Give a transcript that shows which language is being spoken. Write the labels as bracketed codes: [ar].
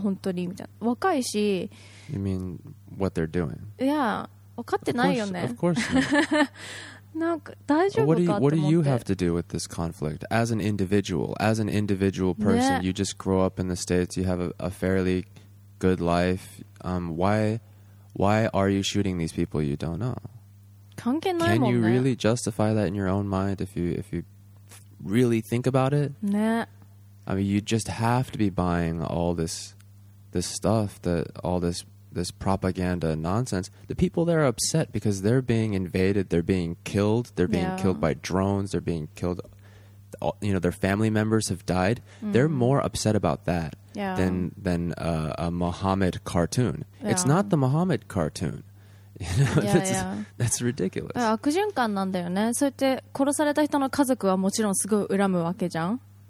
[ja] なんか分かってんのかな、本当にみたいな。若いし。 [en] You mean what they're doing? [ja] Yeah, 分かってないよね。 [en] Of course not. [ja] なんか大丈夫かって思って。 [en] What do you have to do with this conflict? As an individual person, you just grow up in the States, you have a fairly good life. Why are you shooting these people you don't know? [ja] 関係ないもんね。 [en] Can you really justify that in your own mind if you really think about it? [ja] ね。 [en] I mean, you just have to be buying all this stuff, all this propaganda nonsense. The people there are upset because they're being invaded, they're being killed, they're being killed by drones, they're being killed, you know, their family members have died. Mm-hmm. They're more upset about that than a Muhammad cartoon. Yeah. It's not the Muhammad cartoon. that's ridiculous. [ja] 悪循環なんだよね。そうやって殺された人の家族はもちろんすごい恨むわけじゃん。